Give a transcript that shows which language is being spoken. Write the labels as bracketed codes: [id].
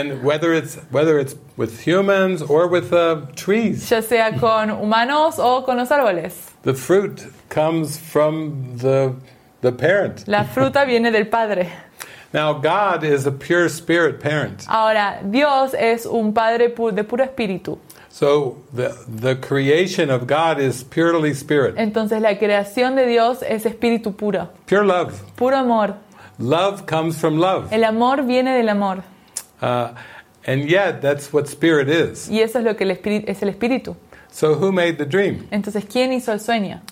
[en] And whether it's with humans or with trees. [es] Ya sea con humanos o con los árboles. [en] The fruit comes from the parent. [es] La fruta viene del padre. [en] Now God is a pure spirit parent. [es] Ahora Dios es un padre de puro espíritu. [en] So the creation of God is purely spirit. [es] Entonces la creación de Dios es espíritu puro. [en] Pure love. [es] Puro amor. [en] Love comes from love. [es] El amor viene del amor. [en] And yet that's what spirit is. [es] Y eso es lo que el espíritu es, el espíritu. [en] So who made the dream? [es] Entonces, ¿quién hizo el sueño?